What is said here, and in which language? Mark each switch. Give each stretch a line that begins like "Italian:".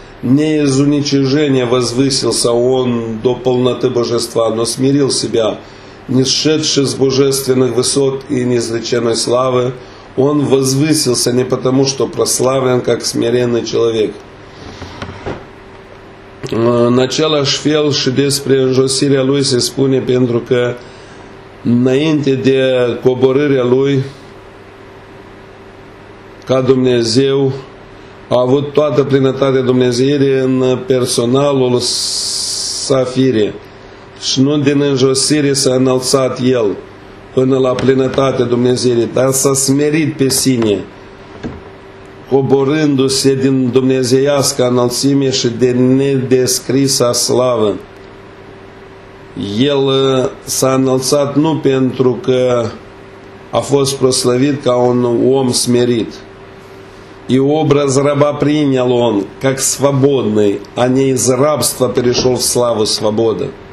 Russian: Не из уничижения возвысился Он до полноты Божества, но смирил Себя, не сшедший с божественных высот и неизреченной славы. Он возвысился не потому, что прославлен, как смиренный человек. Начало
Romanian: шфел și despre înjosirea Lui se spune pentru că înainte de coborârea Lui ca Dumnezeu a avut toată plinătatea Dumnezeirii în personalul Sa fire și nu din înjosire s-a înălțat El până la plinătatea Dumnezeirii, dar s-a smerit pe sine coborându-se din dumnezeiască înălțime și de nedescrisa slavă. El s-a înălțat nu pentru că a fost proslăvit ca un om smerit.
Russian: И образ раба принял он, как свободный, а не из рабства перешел в славу свободы.